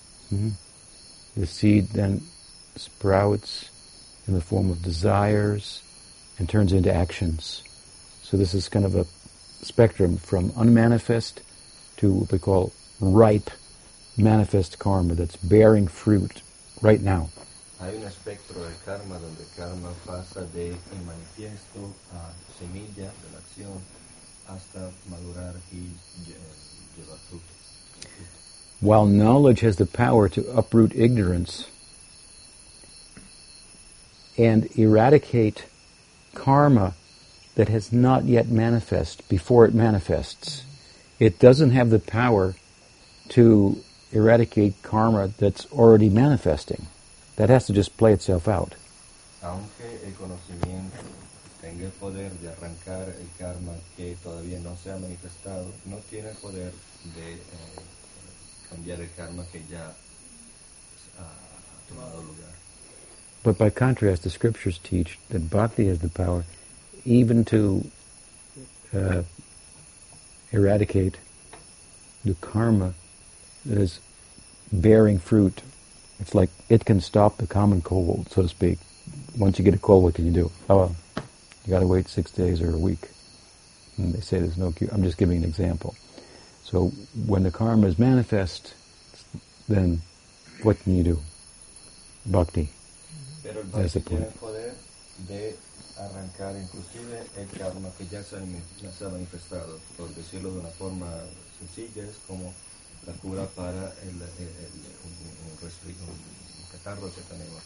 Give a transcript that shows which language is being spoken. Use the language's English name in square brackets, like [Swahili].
[English] The seed then sprouts in the form of desires and turns into actions. So this is kind of a spectrum from unmanifest to what we call ripe manifest karma that's bearing fruit right now. [Spanish] Hay un espectro de karma donde karma pasa de manifiesto a semilla de la acción hasta madurar y llevar fruto. [English] While knowledge has the power to uproot ignorance and eradicate karma that has not yet manifest before it manifests, it doesn't have the power to eradicate karma that's already manifesting. That has to just play itself out. [Spanish] Aunque el conocimiento tenga el poder de arrancar el karma que todavía no se ha manifestado, no tiene el poder de cambiar el karma que ya ha tomado lugar. [English] But by contrast, the scriptures teach that bhakti has the power even to eradicate the karma that is bearing fruit. It's like it can stop the common cold, so to speak. Once you get a cold, what can you do? Oh, well, you got to wait 6 days or a week. And they say there's no cure. I'm just giving an example. So when the karma is manifest, then what can you do? Bhakti. [Spanish] Pero el bhakti tiene el poder de arrancar inclusive el karma que ya se ha manifestado. Por decirlo de una forma sencilla, es como la cura para un catarro que tenemos.